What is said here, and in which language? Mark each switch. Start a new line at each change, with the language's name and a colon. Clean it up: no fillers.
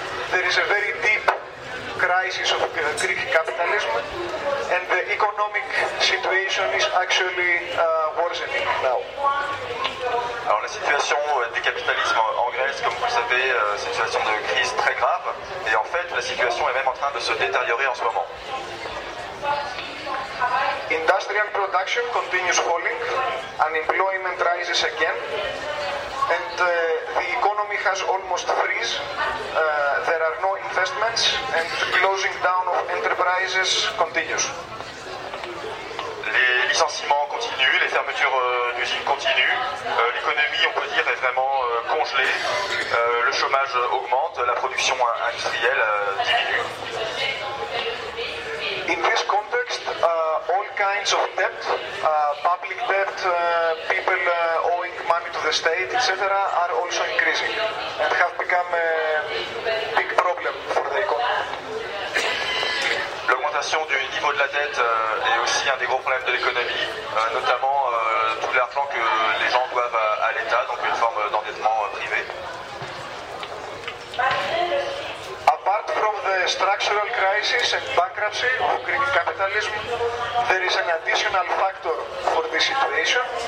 English: There is a very deep crisis of Greek capitalism, and the economic situation is actually worsening now.
French: Alors la situation du capitalisme en Grèce, comme vous le savez, c'est une situation de crise très grave, et en fait la situation est même en train de se détériorer en ce moment.
English: Industrial production continues falling, unemployment rises again, and the economy has almost freeze. There are no investments, and closing down of enterprises continues.
French: Les licenciements continuent, les fermetures d'usines continuent. L'économie, on peut dire, est vraiment congelée. Le chômage augmente, la production industrielle diminue.
English: In this context, all kinds of debt, public debt, people owing money to the state, etc., are also increasing and have become a big problem for the economy.
French: L'augmentation du niveau de la dette est aussi un des gros problèmes de l'économie, notamment tout l'argent que les gens doivent à l'État, donc une forme d'endettement privé.
English: Apart from the structural crisis and bankruptcy of Greek capitalism, there is an additional factor for this situation,